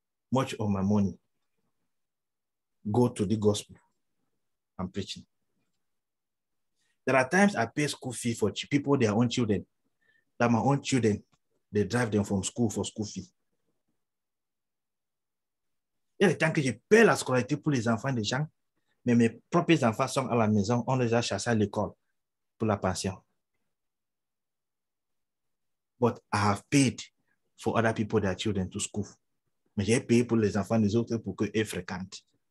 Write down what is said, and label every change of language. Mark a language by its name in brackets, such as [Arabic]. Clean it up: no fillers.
[English] Much of my money go to the gospel I'm preaching. There are times I pay school fee for people, their own children, that my own children, they drive them from school for school fee. [French] Il y a des temps que je paye la scolarité pour les enfants des gens. Mais mes propres enfants sont à la maison, on les a chassés à l'école pour la pension. [English] But I have paid for other people, their children to school. [French] Mais j'ai payé pour les enfants des autres pour qu'ils fréquentent.